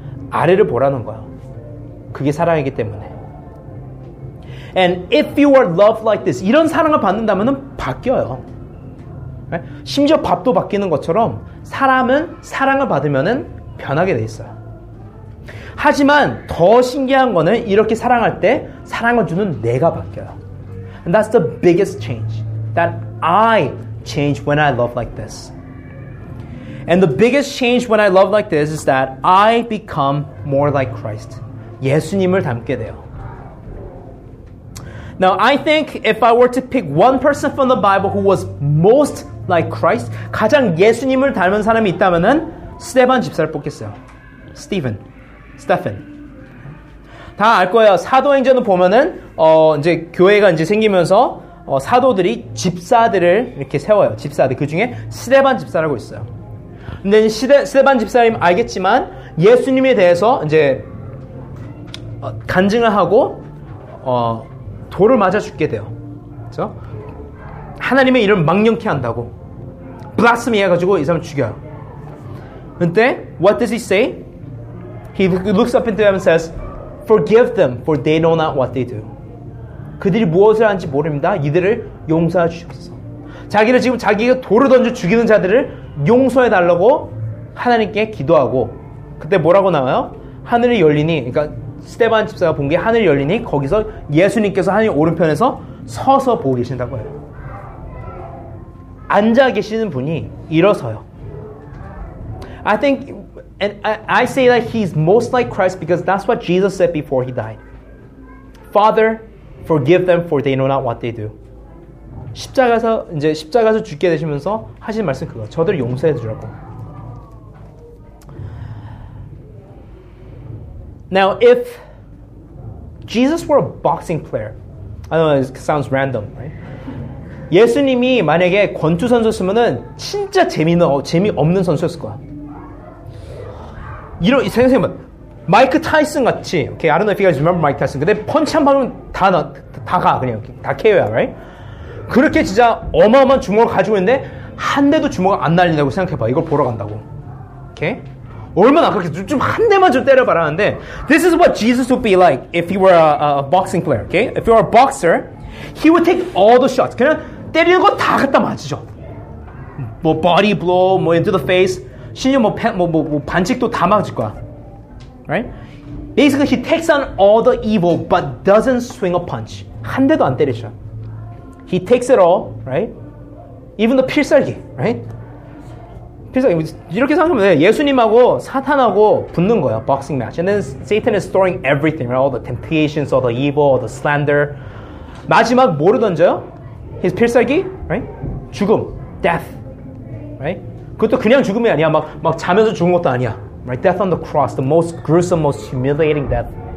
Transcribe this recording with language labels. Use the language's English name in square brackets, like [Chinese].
[Korean] 아래를 보라는 거예요. 그게 사랑이기 때문에. [English] And if you are loved like this, [Korean] 이런 사랑을 받는다면은 바뀌어요. 심지어 밥도 바뀌는 것처럼 사람은 사랑을 받으면은 변하게 돼 있어요. 하지만 더 신기한 거는 이렇게 사랑할 때 사랑을 주는 내가 바뀌어요. [English] And that's the biggest change. That I change when I love like this. And the biggest change when I love like this is that I become more like Christ. [Korean] 예수님을 닮게 돼요. [English] Now, I think if I were to pick one person from the Bible who was most like Christ, [Korean] 가장 예수님을 닮은 사람이 있다면은 스데반 집사를 뽑겠어요. 스티븐, 스테판. 다 알 거예요. 사도행전을 보면은 이제 교회가 이제 생기면서 사도들이 집사들을 이렇게 세워요. 집사들 그 중에 스데반 집사라고 있어요. 근데 스데반 집사님 알겠지만 예수님에 대해서 이제 간증을 하고 돌을 맞아 죽게 돼요. 그렇죠? 하나님의 이름 망령케 한다고 blasphemy 해가지고 이 사람 죽여요. [English] 근데 what does he say? He looks up into heaven and says, "Forgive them, for they know not what they do." [Korean] 그들이 무엇을 하는지 모릅니다. 이들을 용서해 주셨어. 자기를 지금 자기가 돌을 던져 죽이는 자들을 용서해 달라고 하나님께 기도하고 그때 뭐라고 나와요? 하늘이 열리니, 그러니까 스데반 집사가 본 게 하늘이 열리니 거기서 예수님께서 하늘 오른편에서 서서 보고 계신다고 해요. 앉아 계시는 분이 일어서요. [English] I think, and I say that he's most like Christ because that's what Jesus said before he died. Father, forgive them for they know not what they do. [Korean] 십자가에서 이제 십자가에서 죽게 되시면서 하신 말씀 그거. 저들 용서해 주라고. [English] Now, if Jesus were a boxing player, I know it sounds random, right? [Korean] 예수님이 만약에 권투 선수였으면은 진짜 재미없는 선수였을 거야. 이런 생각해보면 [English] 마이크 타이슨 같이, okay, I don't know if you guys remember 마이크 타이슨. [Korean] 근데 펀치 한 방은 다가 그냥 다 KO야, right? 그렇게 진짜 어마어마한 주먹을 가지고 있는데 한 대도 주먹을 안 날린다고 생각해봐. 이걸 보러 간다고, okay? 얼마나 그렇게 좀 한 대만 좀 때려봐라 하는데, [English] this is what Jesus would be like if he were a boxing player, okay? If you were a boxer, he would take all the shots. [Korean] 그냥 때리는 거 다 갖다 맞으죠. [English] 뭐 body blow, 뭐 into the face. [Korean] 심지어 뭐 반칙도 다 맞을 거야. [English] Right? Basically, he takes on all the evil but doesn't swing a punch. [Korean] 한 대도 안 때리죠. [English] He takes it all, right? Even the [Korean] 필살기, right? 필살기, 이렇게 생각하면 예수님하고 사탄하고 붙는 거야, boxing match. [English] And then Satan is throwing everything, right? All the temptations, all the evil, all the slander. [Korean] 마지막 뭐를 던져요? His 필살기, right? 죽음, death, right? 그것도 그냥 죽음이 아니야. 막 자면서 죽은 것도 아니야. [English] Right? Death on the cross, the most gruesome, most humiliating death.